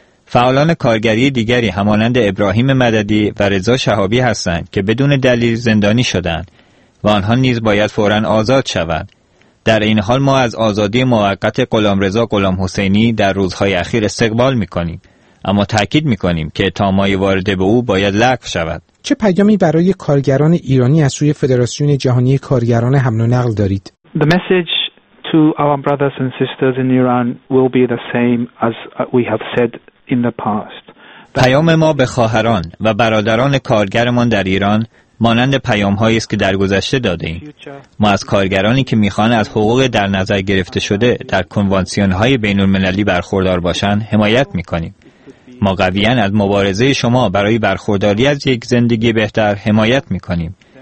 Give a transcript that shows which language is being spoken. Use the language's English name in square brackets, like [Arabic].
[Persian] فعالان کارگری دیگری همانند ابراهیم مددی و رضا شهابی هستند که بدون دلیل زندانی شدند و آنها نیز باید فوراً آزاد شوند. در این حال ما از آزادی موقت غلامرضا غلامحسینی در روزهای اخیر استقبال می‌کنیم، اما تأکید می‌کنیم که تامای وارد به او باید لغو شود. چه پیامی برای کارگران ایرانی از سوی فدراسیون جهانی کارگران حمل و نقل دارید؟ [English] The message to our brothers and sisters in Iran will be the same as we have said in the past. [Persian] پیام ما به خواهران و برادران کارگرمان در ایران مانند پیام‌هایی است که در گذشته داده‌ایم. ما از کارگرانی که می‌خوان از حقوق در نظر گرفته شده در کنوانسیون‌های بین‌المللی برخوردار باشند، حمایت می‌کنیم. ما قویاً از مبارزه شما برای برخورداری از یک زندگی بهتر حمایت می‌کنیم.